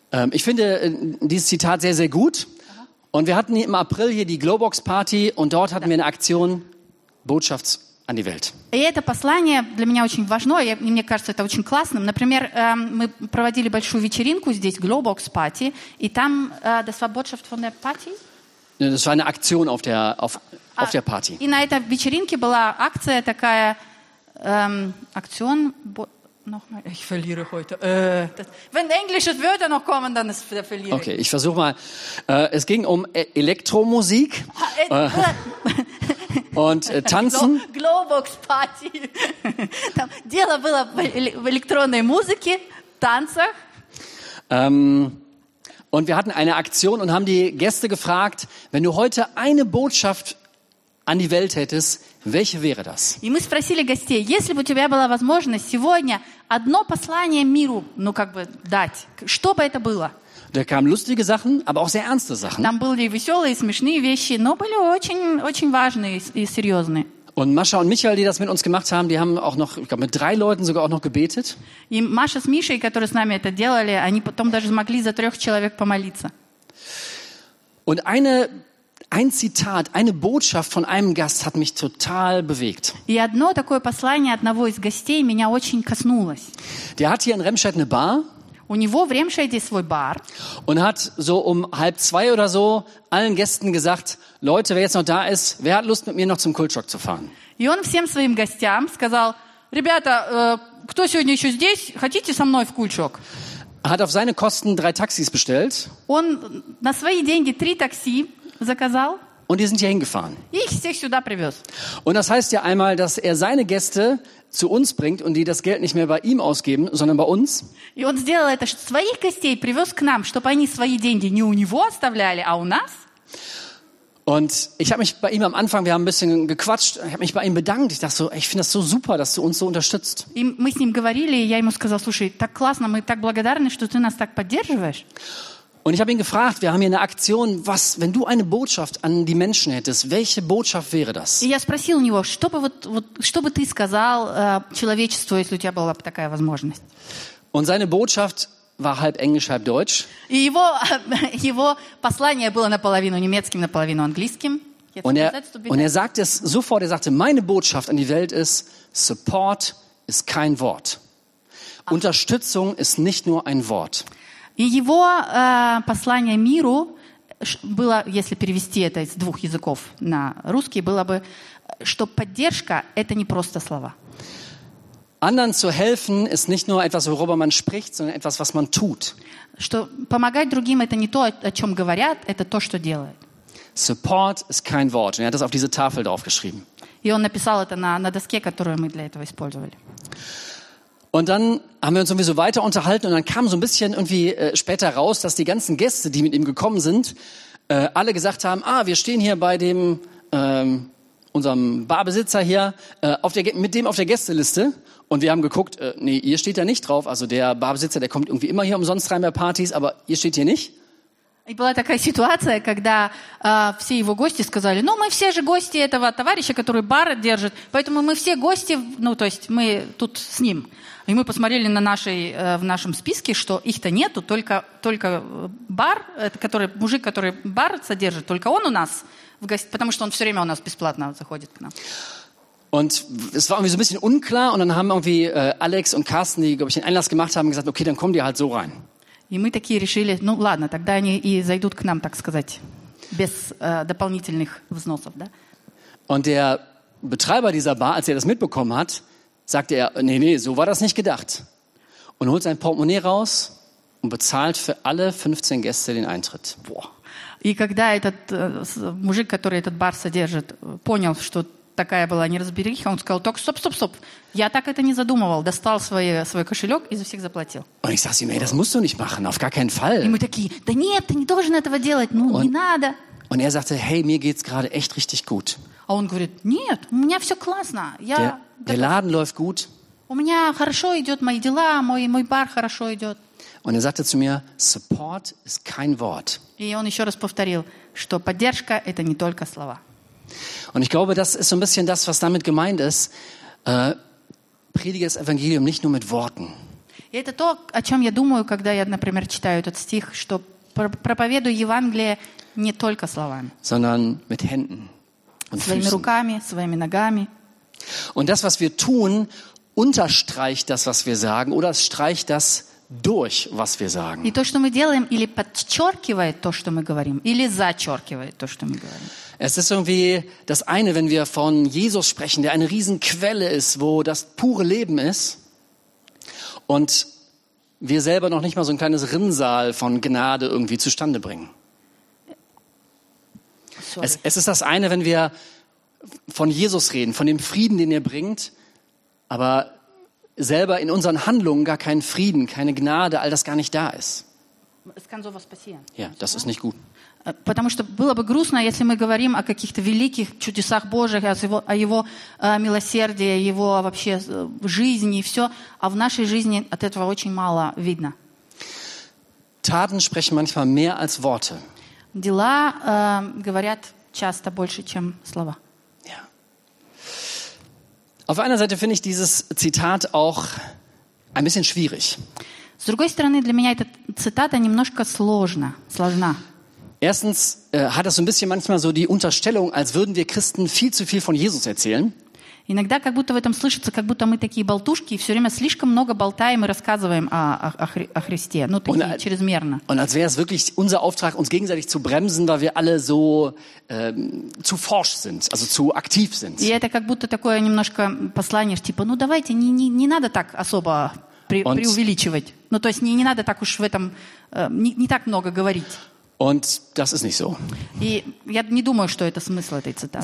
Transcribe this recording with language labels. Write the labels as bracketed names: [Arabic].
[German] Ich finde dieses Zitat sehr, sehr gut. Und wir hatten hier im April hier die Globox Party und dort hatten wir eine Aktion Botschaft an die Welt. [Russian] И это послание для меня очень важно, и мне кажется, это очень классно. Например, мы проводили большую вечеринку здесь, Globox Party, и там [German] das Wortschaft von der Party. Das war eine Aktion auf der auf der Party. [Russian] И на этой вечеринке была акция такая, Aktion. [German] Nochmal, ich verliere heute. Wenn englische Wörter noch kommen, dann ist der Verlierer. Okay, ich versuche mal. Es ging um Elektromusik und Tanzen. Globox Party. [Russian] Дело было в электронной музыке, танцах. [German] Und wir hatten eine Aktion und haben die Gäste gefragt, wenn du heute eine Botschaft an die Welt hättest, welche wäre das? [Russian] И мы спросили гостей, если бы у тебя была возможность сегодня одно послание миру, ну как бы дать, что бы это было? [German] Da kamen lustige Sachen, aber auch sehr ernste Sachen. [Russian] Там были веселые, смешные вещи, но были очень, очень важные и серьезные. [German] Und Mascha und Michael, die das mit uns gemacht haben, die haben auch noch, ich glaube, mit drei Leuten sogar auch noch gebetet. [Russian] И Маша с Мишей, которые с нами это делали, они потом даже смогли за трех человек помолиться. [German] Und eine Ein Zitat, eine Botschaft von einem Gast hat mich total bewegt. [Russian] И одно такое послание одного из гостей меня очень коснулось. [German] Der hat hier in Remscheid eine Bar. [Russian] У него в Ремшайде свой бар. [German] Und hat so um halb zwei oder so allen Gästen gesagt, Leute, wer jetzt noch da ist, wer hat Lust mit mir noch zum Kultschock zu fahren? [Russian] И он всем своим гостям сказал, ребята, кто сегодня еще здесь, хотите со мной в Кульчок? [German] Hat auf seine Kosten drei Taxis bestellt. [Russian] Он на свои деньги три такси заказал. [German] Und die sind hier hingefahren. Ich sehe sie da privat. Und das heißt ja einmal, dass er seine Gäste zu uns bringt und die das Geld nicht mehr bei ihm ausgeben, sondern bei uns. [Russian] И он сделал это, что своих гостей привез к нам, чтобы они свои деньги не у него оставляли, а у нас. [German] Und ich habe mich bei ihm am Anfang, wir haben ein bisschen gequatscht, ich habe mich bei ihm bedankt. Ich dachte so, ich finde das so super, dass du uns so unterstützt. [Russian] И мы с ним говорили, и я ему сказал, слушай, так классно, мы так благодарны, что ты нас так поддерживаешь. [German] Und ich habe ihn gefragt, wir haben hier eine Aktion, was, wenn du eine Botschaft an die Menschen hättest, welche Botschaft wäre das? [Russian] Я спросил у него, что бы вот, вот что бы ты сказал человечеству, если у тебя была бы такая возможность. [German] Und seine Botschaft war halb Englisch, halb Deutsch. [Russian] И его послание было наполовину немецким, наполовину английским. [German] Und er sagt es sofort, er sagte, meine Botschaft an die Welt ist, support ist kein Wort. Unterstützung ist nicht nur ein Wort. [Russian] И его послание миру было, если перевести это из двух языков на русский, было бы, что поддержка – это не просто слова. [German] Anderen zu helfen ist nicht nur etwas, worüber man spricht, sondern etwas, was man tut. [Russian] Что помогать другим – это не то, о чем говорят, это то, что делают. [German] Support ist kein Wort. Und er hat das auf diese Tafel draufgeschrieben. [Russian] И он написал это на доске, которую мы для этого использовали. [German] Und dann haben wir uns irgendwie so weiter unterhalten und dann kam so ein bisschen irgendwie später raus, dass die ganzen Gäste, die mit ihm gekommen sind, alle gesagt haben, ah, wir stehen hier bei dem, unserem Barbesitzer hier, mit dem auf der Gästeliste und wir haben geguckt, nee, ihr steht da nicht drauf, also der Barbesitzer, der kommt irgendwie immer hier umsonst rein bei Partys, aber ihr steht hier nicht. [Russian] И была такая ситуация, когда все его гости сказали, ну, мы все же гости этого товарища, который бар держит, поэтому мы все гости, ну, то есть мы тут с ним. И мы посмотрели на в нашем списке, что их-то нету, только бар, мужик, который бар содержит, только он у нас в гости, потому что он все время у нас бесплатно заходит к нам. [German] Und es war irgendwie so ein bisschen unklar, und dann haben irgendwie Alex und Carsten, die, glaube ich, den Einlass gemacht haben, gesagt, okay, dann kommen die halt so rein. [Russian] И мы такие решили, ну ладно, тогда они и зайдут к нам, так сказать, без дополнительных взносов, да? [German] Und der Betreiber dieser Bar, als er das mitbekommen hat, sagte er, nee, so war das nicht gedacht. Und holt sein Portemonnaie raus und bezahlt für alle 15 Gäste den Eintritt. Boah. [Russian] И когда этот мужик, который этот бар содержит, понял, что такая была неразбериха, он сказал, так, стоп, я так это не задумывал, достал свой кошелек и за всех заплатил. [German] Und ich sag ihm, das musst du nicht machen, auf gar keinen Fall. [Russian] И мы такие, да нет, ты не должен этого делать, ну, не надо. [German] Und er sagte, hey, mir geht's gerade echt richtig gut. [Russian] А он говорит, нет, у меня все классно, [German] Der Laden läuft gut. [Russian] У меня хорошо идет мои дела, мой бар хорошо идет. [German] Und er sagte zu mir, support ist kein Wort. [Russian] И он еще раз повторил, что поддержка – это не только слова. [German] Und ich glaube, das ist so ein bisschen das, was damit gemeint ist. Predige das Evangelium nicht nur mit Worten. [Russian] И это то, о чем я думаю, когда я, например, читаю этот стих, что проповедую Евангелие не только словами, [German] sondern mit Händen [Russian] und своими руками, своими ногами. [German] Und das, was wir tun, unterstreicht das, was wir sagen, oder es streicht das durch, was wir sagen. [Russian] И то, что мы делаем, или подчеркивает то, что мы говорим, или зачеркивает то, что мы говорим. [German] Es ist irgendwie das eine, wenn wir von Jesus sprechen, der eine Riesenquelle ist, wo das pure Leben ist, und wir selber noch nicht mal so ein kleines Rinnsal von Gnade irgendwie zustande bringen. Es ist das eine, wenn wir von Jesus reden, von dem Frieden, den er bringt, aber selber in unseren Handlungen gar keinen Frieden, keine Gnade, all das gar nicht da ist. Es kann sowas passieren. Ja, das ist nicht gut. [Russian] Потому что было бы грустно, если мы говорим о каких-то великих чудесах Божьих, о его милосердии, его вообще жизни и все, а в нашей жизни от этого очень мало видно. [German] Taten sprechen manchmal mehr als Worte. [Russian] Дела говорят часто больше, чем слова. [German] Ja. Auf einer Seite finde ich dieses Zitat auch ein bisschen schwierig. [Russian] С другой стороны, для меня эта цитата немножко сложна. [German] Erstens hat das so ein bisschen manchmal so die Unterstellung, als würden wir Christen viel zu viel von Jesus erzählen. [Russian] Иногда как будто в этом слышится, как будто мы такие болтушки и все время слишком много болтаем и рассказываем о Христе, ну такие und, чрезмерно. [German] Und als wäre es wirklich unser Auftrag, uns gegenseitig zu bremsen, weil wir alle so zu forsch sind, also zu aktiv sind. [Russian] И это как будто такое немножко послание, типа, ну давайте, не надо так особо преувеличивать. Ну то есть не надо так уж в этом не так много говорить. [German] Und das ist nicht so. [Russian] Я не думаю, что это смысл этой цитаты.